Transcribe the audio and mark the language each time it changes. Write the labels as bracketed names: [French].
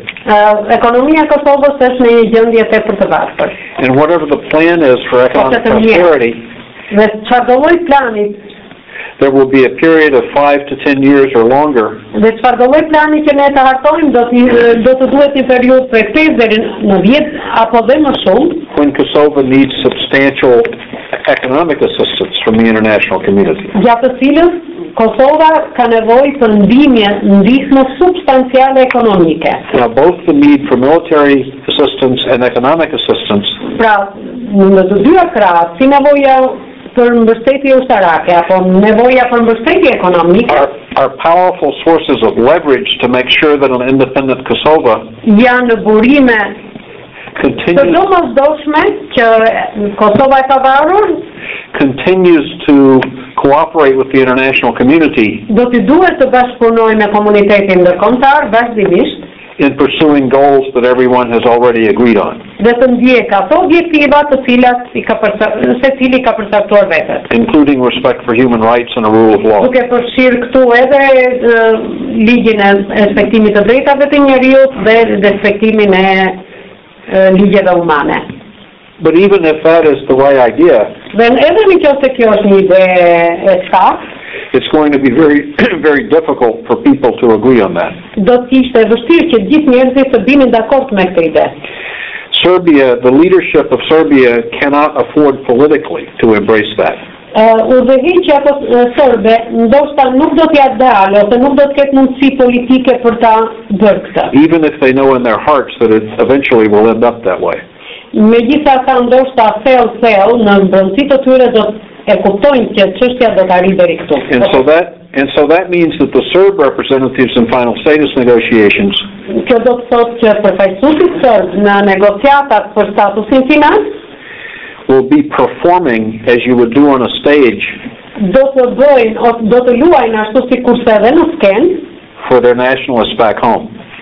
[English] And whatever the plan is for economic prosperity, there will be a period of 5 to 10 years or longer when Kosovo needs substantial economic assistance from the international community. Now, both the need for military assistance and economic assistance [Albanian] për mbështetje ushtarake apo nevoja për mbështetje ekonomike [English] are powerful sources of leverage to make sure that an independent Kosovo [Albanian] janë burime [English] continues [Albanian] të domosdoshme që Kosova e pavarur [English] continues to cooperate with the international community [Albanian] do të duhet të bashkëpunoj me komunitetin ndërkombëtar vazhdimisht [English] in pursuing goals that everyone has already agreed on. Including respect for human rights and the rule of law. [Albanian] Duke përfshir këtu edhe ligjin e respektimit të drejtave të njerëzit dhe respektimin e ligjeve humane. [English] But even if that is the right idea, [Albanian] then edhe nëse kjo është një ide e saktë, [English] it's going to be very very difficult for people to agree on that. [Albanian] Do të ishte vështirë që gjithë njerëzit të binin dakord me këtë ide. [English] Serbia, the leadership of Serbia cannot afford politically to embrace that. [Albanian] Udhëheqja serbe ndoshta nuk do t'ia dalë ose nuk do të ketë mundësi politike për ta bërë këtë. [English] Even if they know in their hearts that it eventually will end up that way. [Albanian] Megjithatë ndoshta thellë në brendësitë të tyre do e kuptojnë që çështja do të arrijë deri këtu. [English] And so that means that the Serb representatives in final status negotiations [Albanian] kjo do të thotë që përfaqësuesit serb në negociatat për statusin final [English] will be performing as you would do on a stage [Albanian] do të bëjnë ose do të luajnë ashtu sikur se edhe në skenë [English] for their nationalists back home